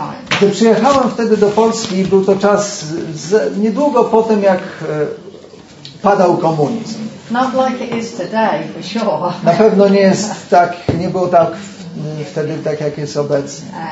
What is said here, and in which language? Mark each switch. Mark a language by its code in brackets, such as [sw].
[pl] Gdy przyjechałam wtedy do Polski, był to czas niedługo po tym, jak padał komunizm. [en] Not like it is today, for sure. [pl] Na pewno nie jest tak, nie było tak wtedy tak, jak jest obecnie.